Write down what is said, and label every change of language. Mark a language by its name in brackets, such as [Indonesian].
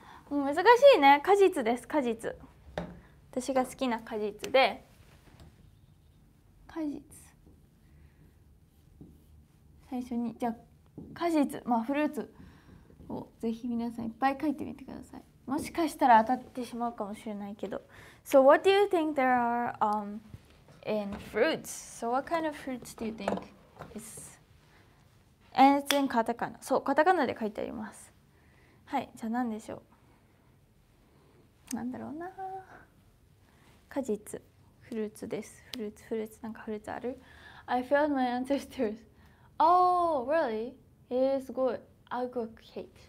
[Japanese] 難しいね、果実です、果実。私が好きな果実で、果実最初に、じゃあ果実、まあフルーツをぜひ皆さんいっぱい書いてみてください。もしかしたら当たってしまうかもしれないけど。 [English] So what do you think there are in fruits? So what kind of fruits do you thinkIs... And it's in katakana. [Japanese] そう、カタカナで書いてあります。はい、じゃあ何でしょう、なんだろうな、果実、フルーツです。フルーツ、フルーツ、なんかフルーツある。 [English] I failed my ancestors. Oh, really? It is good. Advocate.